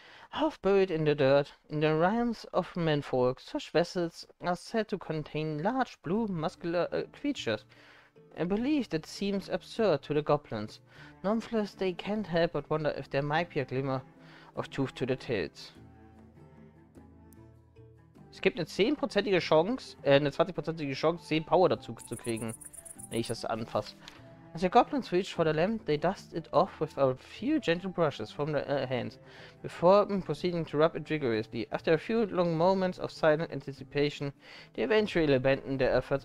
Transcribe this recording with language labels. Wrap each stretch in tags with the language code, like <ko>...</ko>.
<en>Half buried in the dirt, in the realms of menfolk, such vessels are said to contain large blue muscular creatures. A belief that seems absurd to the goblins. Nonetheless, they can't help but wonder if there might be a glimmer of truth to the tales.</en> <de>Es gibt eine 10%ige Chance, eine 20%ige Chance, 10 Power dazu zu kriegen, wenn ich das anfasse.</de> <en>As the goblins reach for the lamp, they dust it off with a few gentle brushes from their hands, before proceeding to rub it vigorously. After a few long moments of silent anticipation, they eventually abandon their efforts.</en>